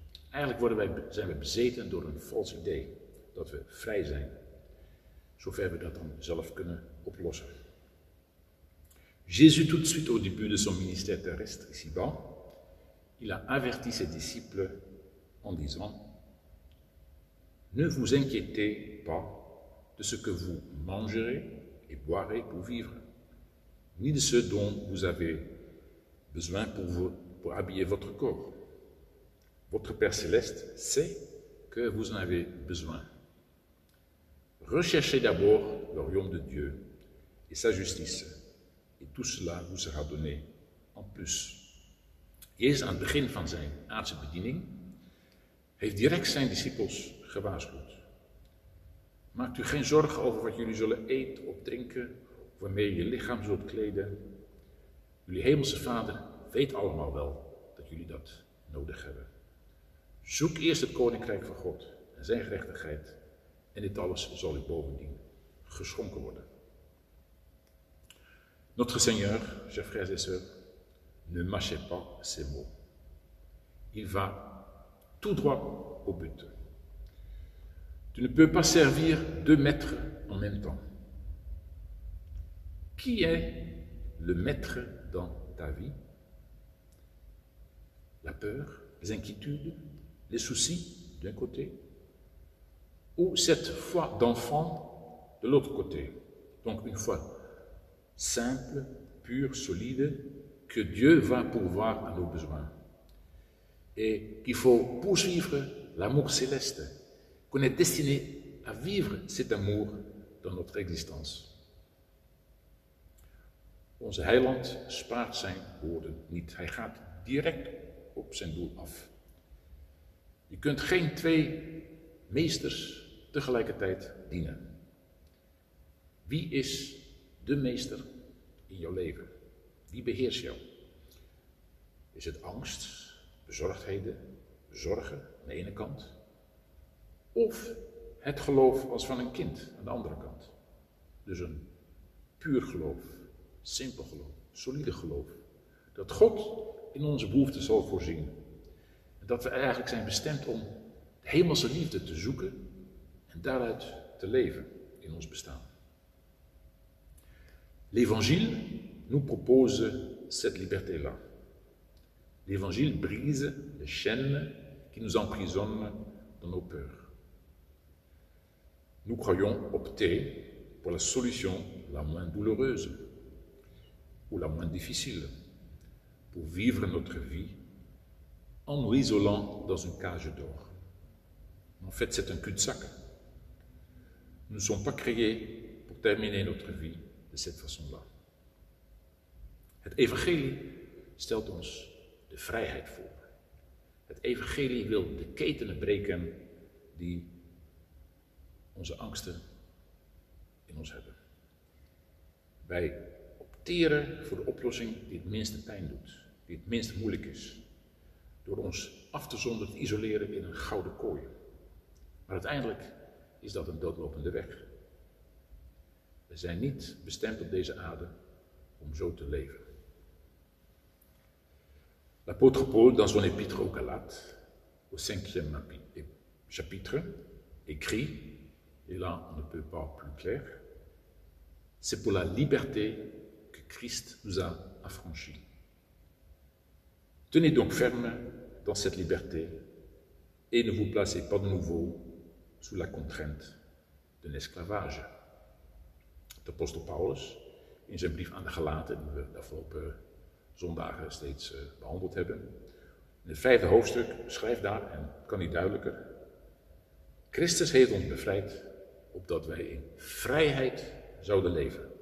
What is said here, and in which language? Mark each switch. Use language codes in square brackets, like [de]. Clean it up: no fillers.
[nl] Eigenlijk zijn we bezeten door een vals idee dat we vrij zijn, zover we dat dan zelf kunnen oplossen. [fr] Jésus, tout de suite au début de son ministère terrestre ici-bas, il a averti ses disciples en disant: ne vous inquiétez pas de ce que vous mangerez et boirez pour vivre, ni de ce dont vous avez besoin pour habiller votre corps. Votre Père Céleste sait que vous en avez besoin. Recherchez d'abord le royaume de Dieu et sa justice, et tout cela vous sera donné en plus. [nl] Jezus aan het begin van zijn aardse bediening heeft direct zijn discipels gewaarschuwd. Maakt u geen zorgen over wat jullie zullen eten of drinken, of waarmee je lichaam zult kleden. Jullie hemelse Vader weet allemaal wel dat jullie dat nodig hebben. Zoek eerst het koninkrijk van God en zijn gerechtigheid, en dit alles zal u bovendien geschonken worden. [fr] Notre Seigneur, chers frères et sœurs, ne mâchez pas ces mots. Il va tout droit au but. Tu ne peux pas servir deux maîtres en même temps. Qui est le maître dans ta vie? La peur, les inquiétudes, les soucis d'un côté, ou cette foi d'enfant de l'autre côté? Donc une foi simple, pure, solide, que Dieu va pourvoir à nos besoins et qu'il faut poursuivre l'amour céleste, qu'on est destiné à vivre cet amour dans notre existence. [nl] Onze heiland spaart zijn woorden niet. Hij gaat direct op zijn doel af. Je kunt geen twee meesters tegelijkertijd dienen. Wie is de meester in jouw leven? Wie beheerst jou? Is het angst, bezorgdheden, zorgen aan de ene kant? Of het geloof als van een kind aan de andere kant? Dus een puur geloof, simpel geloof, solide geloof. Dat God in onze behoeften zal voorzien. Dat we eigenlijk zijn bestemd om de hemelse liefde te zoeken en daaruit te leven in ons bestaan. [fr] L'Évangile nous propose cette liberté-là. L'Évangile brise les chaînes qui nous emprisonnent dans nos peurs. Nous croyons opter pour la solution la moins douloureuse ou la moins difficile pour vivre notre vie en nous isolant dans une cage d'or. En fait, c'est un cul-de-sac. Nous ne sommes pas créés pour terminer notre vie de cette façon-là. [nl] Het Evangelie stelt ons de vrijheid voor. Het Evangelie wil de ketenen breken die onze angsten in ons hebben. Wij opteren voor de oplossing die het minste pijn doet, die het minst moeilijk is, door ons af te zonderen, te isoleren in een gouden kooi. Maar uiteindelijk is dat een doodlopende weg. We zijn niet bestemd op deze aarde om zo te leven. [fr] L'apôtre Paul, dans son épître aux Galates, au cinquième chapitre, écrit, et là on ne peut pas plus clair, c'est pour la liberté que Christ nous a affranchis. Tenez donc ferme dans cette liberté et ne vous placez pas de nouveau sous la contrainte d'un esclavage. [nl] De apostel Paulus, in zijn brief aan de Galaten, die we de afgelopen zondagen steeds behandeld hebben, in het vijfde hoofdstuk schrijft daar, en kan niet duidelijker, Christus heeft ons bevrijd, opdat wij in vrijheid zouden leven.